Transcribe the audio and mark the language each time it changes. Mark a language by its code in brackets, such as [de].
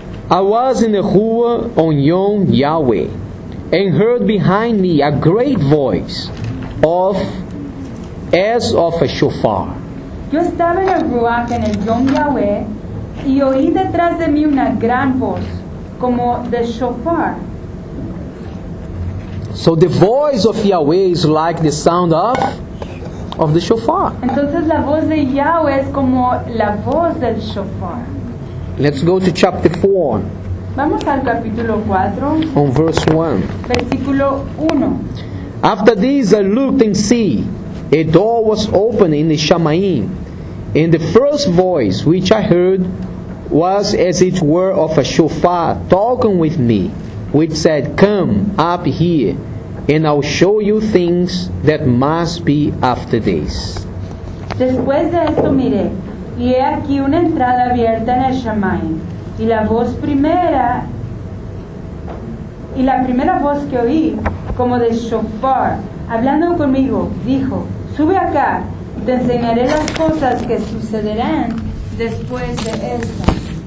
[en] I was in the Hua on Yom Yahweh, and heard behind me a great voice of as of a shofar. [es] Yo estaba en el Ruach en el Yom Yahweh, y oí detrás de mí una gran voz como de shofar. [en] So the voice of Yahweh is like the sound of the shofar. [es] Entonces la voz de Yahweh es como la voz del shofar. [en] Let's go to chapter 4. [es] Vamos al capítulo 4. [en] On verse 1. [es] Versículo 1. [en] After this I looked and see, a door was opened in the Shamayim. And the first voice which I heard was as it were of a shofar talking with me, which said, come up here, and I'll show you things that must be after this. [es] Después de esto miré, y he aquí una entrada abierta en el Shamayim, y la primera voz que oí, como de shofar, hablando conmigo, dijo, sube acá, te enseñaré las cosas que sucederán después de esta.